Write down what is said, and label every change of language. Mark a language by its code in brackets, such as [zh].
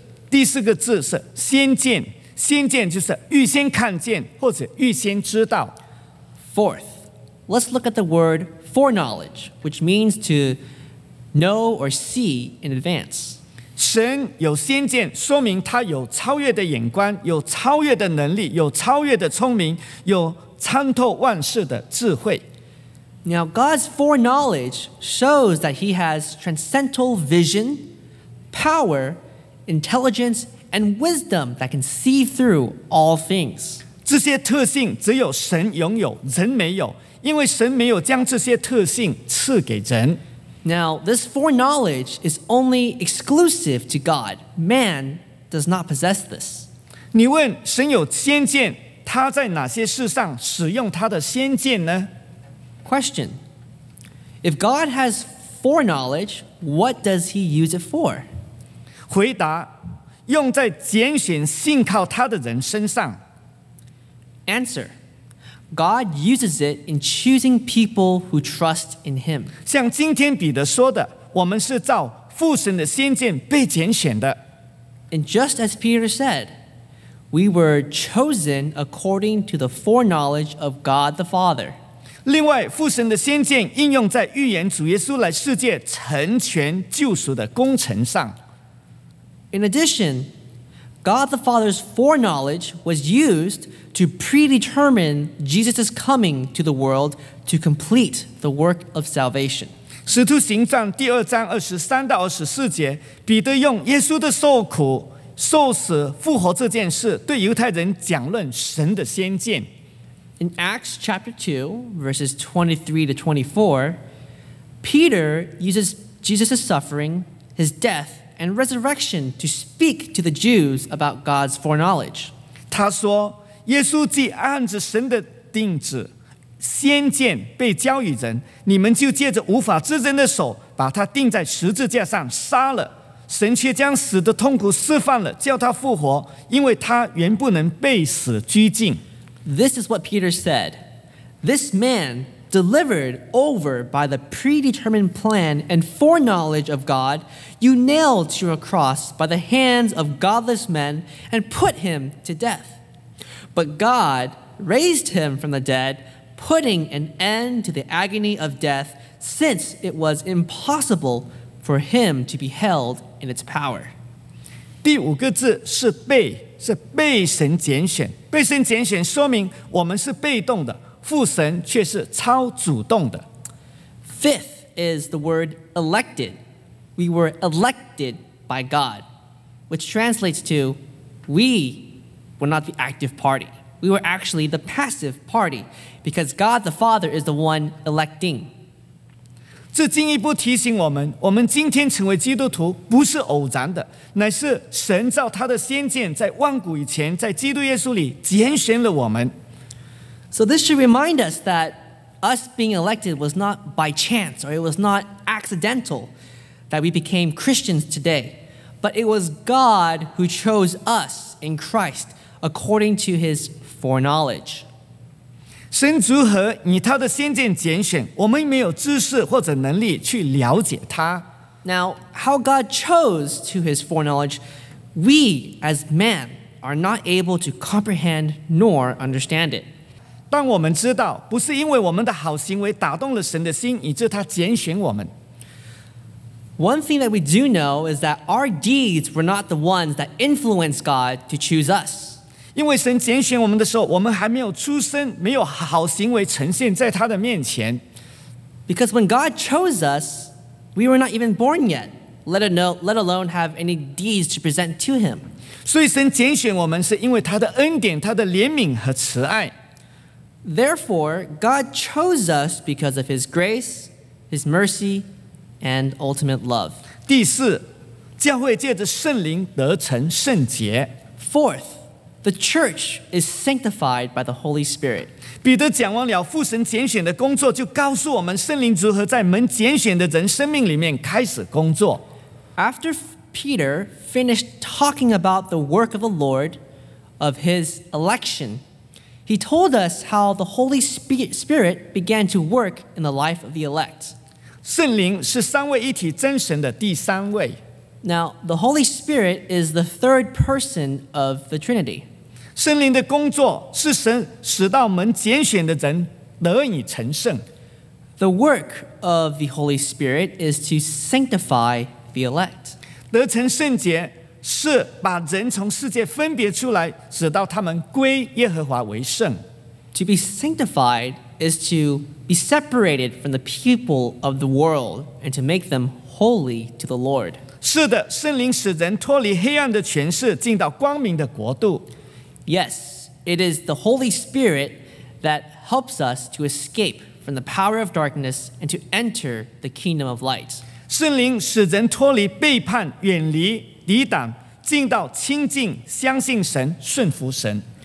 [zh] 第四个字是先见，先见就是预先看见或者预先知道。 [en] Fourth, let's look at the word foreknowledge, which means to know or see in advance. [zh] 神有先见，说明他有超越的眼光，有超越的能力，有超越的聪明，有参透万事的智慧。 [en] Now, God's foreknowledge shows that he has transcendental vision, power,intelligence and wisdom that can see through all things. [zh] 这些特性只有神拥有，人没有，因为神没有将这些特性赐给人。 [en] Now, this foreknowledge is only exclusive to God. Man does not possess this. [zh] 你问神有先见，他在哪些事上使用他的先见呢？ [en] Question. If God has foreknowledge, what does he use it for? [zh] 回答，用在拣选信靠他的人身上。 [en] Answer, God uses it in choosing people who trust in him. [zh] 像今天彼得说的，我们是照父神的先见被拣选的。 [en] And just as Peter said, we were chosen according to the foreknowledge of God the Father. [zh] 另外，父神的先见应用在预言主耶稣来世界成全救赎的工程上。 [en] In addition, God the Father's foreknowledge was used to predetermine Jesus' coming to the world to complete the work of salvation. [zh] 使徒行传第二章二十三到二十四节，彼得用耶稣的受苦、受死、复活这件事对犹太人讲论神的先见。 [en] In Acts chapter 2, verses 23 to 24, Peter uses Jesus' suffering, his death,and resurrection to speak to the Jews about God's foreknowledge. [zh] 他说，耶稣既按着神的定旨，先见被交与人，你们就借着无法之人的手把他钉在十字架上杀了，神却将死的痛苦释放了，叫他复活，因为他原不能被死拘禁。 [en] This is what Peter said. This man, delivered over by the predetermined plan and foreknowledge of God,You nailed to a cross by the hands of godless men and put him to death. But God raised him from the dead, putting an end to the agony of death, since it was impossible for him to be held in its power. [zh] 第五个字是被，是被神拣选。被神拣选说明我们是被动的，父神却是超主动的。 [en] Fifth is the word elected. We were elected by God, which translates to, we were not the active party. We were actually the passive party, because God the Father is the one electing. [zh] 这进一步提醒我们今天成为基督徒不是偶然的，乃是神照他的先见在万古以前在基督耶稣里拣选了我们。 [en] So this should remind us that us being elected was not by chance, or it was not accidental. That we became Christians today, but it was God who chose us in Christ according to his foreknowledge. [zh] 神如何以他的先见拣选，我们没有知识或者能力去了解他。 [en] Now, how God chose to his foreknowledge, we as man are not able to comprehend nor understand it. [zh] 但我们知道，不是因为我们的好行为打动了神的心，以致他拣选我们。 [en] One thing that we do know is that our deeds were not the ones that influenced God to choose us. [zh] 因为神拣选我们的时候，我们还没有出生，没有好行为呈现在他的面前。 [en] Because when God chose us, we were not even born yet, let alone have any deeds to present to him. [zh] 所以神拣选我们是因为他的恩典、他的怜悯和慈爱。 [en] Therefore, God chose us because of his grace, his mercy,and ultimate love. [zh] 第四，教会借着圣灵得成圣洁。 [en] Fourth, the church is sanctified by the Holy Spirit. [zh] 彼得讲完了父神拣选的工作，就告诉我们圣灵如何在门拣选的人生命里面开始工作。 [en] After Peter finished talking about the work of the Lord, of his election, he told us how the Holy Spirit began to work in the life of the elect. [zh] 圣灵是三位一体真神的第三位。 [en] Now, the Holy Spirit is the third person of the Trinity. [zh] 圣灵的工作是神使到门拣选的人得以成圣。 [en] The work of the Holy Spirit is to sanctify the elect. [zh] 得成圣洁是把人从世界分别出来，使到他们归耶和华为圣。 [en] To be sanctified is to be separated from the people of the world and to make them holy to the Lord. [zh] 是的，圣灵使人脱离黑暗的权势，进到光明的国度。 [en] Yes, it is the Holy Spirit that helps us to escape from the power of darkness and to enter the kingdom of light. [zh] 圣灵使人脱离背叛、远离、抵挡，进到亲近、相信神、顺服神。